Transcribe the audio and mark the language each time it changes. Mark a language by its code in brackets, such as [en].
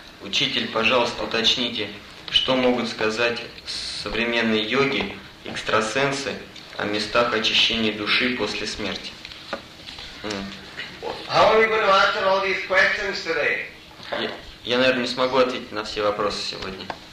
[ru] Учитель, пожалуйста, уточните, что могут сказать современные йоги, экстрасенсы о местах очищения души после смерти? [en] How are we going to answer all these questions today? [ru] Я, наверное, не смогу ответить на все вопросы сегодня.